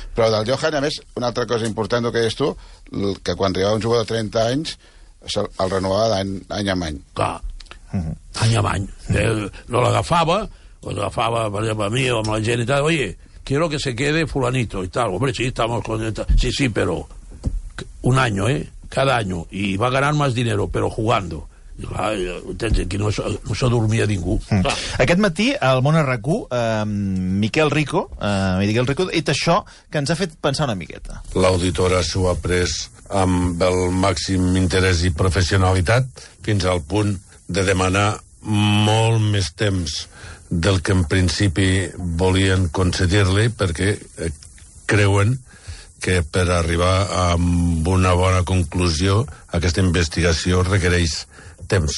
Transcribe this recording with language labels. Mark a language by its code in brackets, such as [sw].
[ca] Però del Johan, a més, una altra cosa important que deies tu, que quan arribava un jugador de 30 anys, el renovava d'any en any. Clar, any en any. No l'agafava, per exemple, a mi o amb la gent i tal, oye, [es] quiero que se quede fulanito [ca] i tal. [es] Hombre, sí, estamos contentos. Sí, pero un año, cada año. Y va a ganar más dinero, pero jugando. [ca] I clar, aquí no s'adormia ningú. Aquest matí, al món RAC1, Miquel Rico, dit això que ens ha fet pensar una miqueta. L'auditora s'ho ha pres amb el màxim interès i professionalitat fins al punt de demanar molt més temps del que en principi volien concedir-li perquè creuen que per arribar a una bona conclusió aquesta investigació requereix temps.